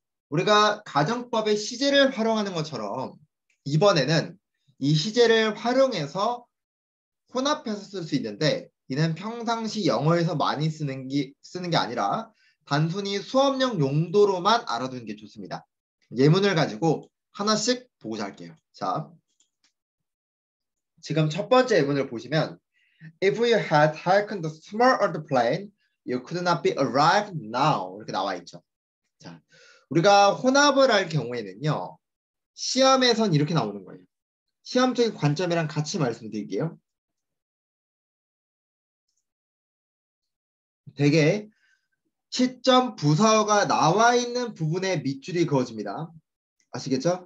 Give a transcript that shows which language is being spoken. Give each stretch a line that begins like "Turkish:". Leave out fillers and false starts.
Korean: 우리가 가정법의 시제를 활용하는 것처럼 이번에는 이 시제를 활용해서 혼합해서 쓸 수 있는데 이는 평상시 영어에서 많이 쓰는 게 아니라 단순히 수업용 용도로만 알아두는 게 좋습니다. 예문을 가지고 하나씩 보고자 할게요.
English: 자, 지금 첫 번째 예문을 보시면 If you had taken the smaller plane, you could not be arrived now.
Korean: 이렇게 나와 있죠. 자, 우리가 혼합을 할 경우에는요. 시험에선 이렇게 나오는 거예요. 시험적인 관점이랑 같이 말씀드릴게요. 되게 시점 부사어가 나와 있는 부분에 밑줄이 그어집니다. 아시겠죠?